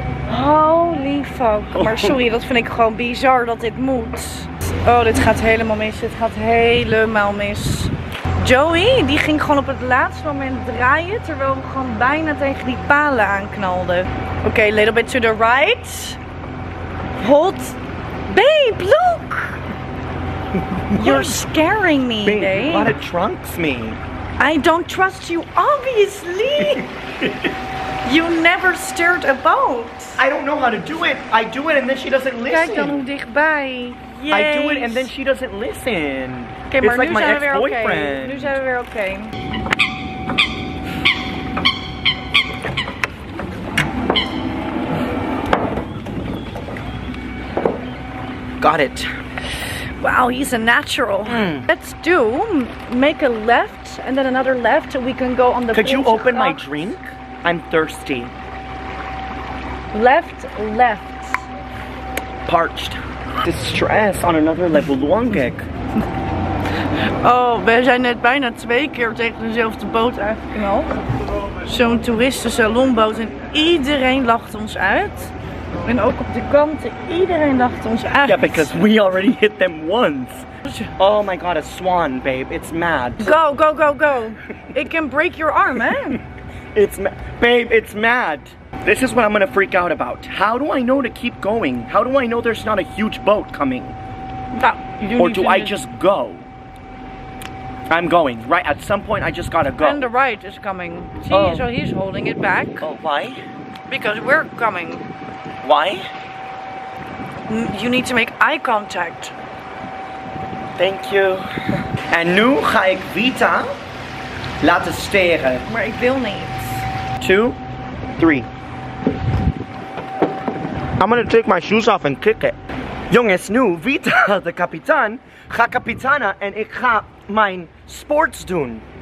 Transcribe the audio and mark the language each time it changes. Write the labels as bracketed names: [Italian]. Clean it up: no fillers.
[English] Holy fuck. [Dutch] Maar sorry, dat vind ik gewoon bizar dat dit moet. Oh, dit gaat helemaal mis. Dit gaat helemaal mis. Joey, die ging gewoon op het laatste moment draaien, terwijl we gewoon bijna tegen die palen aanknalden. [English] Oké, okay, little bit to the right. Hold. Babe, look! You're scaring me, babe. Babe, you gotta trunks me. I don't trust you, obviously. You never stirred a boat. I don't know how to do it. I do it and then she doesn't listen. [Dutch] Kijk dan hoe dichtbij. Yes. [English] I do it and then she doesn't listen. Okay, maar it's like nu my ex-boyfriend. [Dutch] Okay. Nu zijn we weer oké. Okay. [English] Got it. Wow, he's a natural. Mm. Let's do, make a left and then another left. We can go on the Could you open my drink? I'm thirsty. Left, left. Parched. Distress on another level. Longek. [Dutch] Oh, we zijn net bijna twee keer tegen dezelfde boot uitgeknald. Zo'n toeristensalonboot en iedereen lacht ons uit. En ook op de kanten, iedereen lacht ons uit. [English] Yeah, because we already hit them once. Oh my god, a swan, babe. It's mad. Go, go, go, go. It can break your arm, eh? It's mad. Babe, it's mad. This is what I'm gonna freak out about. How do I know to keep going? How do I know there's not a huge boat coming? No, you Or do I just go? I'm going, right? At some point, I just gotta go. And the right is coming. See, oh. So he's holding it back. Oh, why? Because we're coming. Why? You need to make eye contact. Thank you. [Dutch] En nu ga ik Vita laten steren. Maar ik wil niet. 2, 3. [English] I'm gonna take my shoes off and kick it. [Dutch] Jongens, nu Vita, de kapitein, ga kapitana en ik ga mijn sports doen.